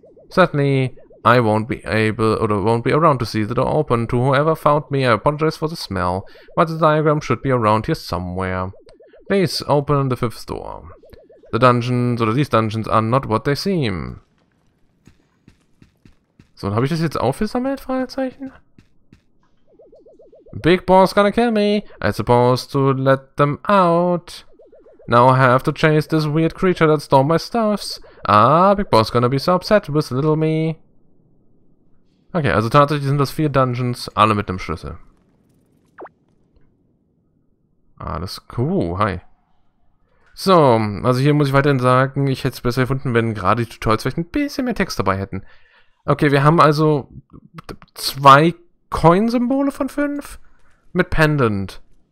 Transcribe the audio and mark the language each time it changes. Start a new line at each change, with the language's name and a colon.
English: Sadly, I won't be able or won't be around to see the door open. To whoever found me, I apologize for the smell, but the diagram should be around here somewhere. Please open the fifth door. The dungeons, or these dungeons, are not what they seem.
German: So, und habe ich das jetzt aufgesammelt, Fragezeichen?
English: Big boss gonna kill me. I supposed to let them out. Now I have to chase this weird creature that stole my stuffs. Ah, big boss gonna be so upset with little me.
German: Okay, also tatsächlich sind das vier Dungeons, alle mit einem Schlüssel. Alles cool, hi. So, also hier muss ich weiterhin sagen, ich hätte es besser gefunden, wenn gerade die Tutorials vielleicht ein bisschen mehr Text dabei hätten. Okay, wir haben also zwei Coin-Symbole von 5 mit Pendant.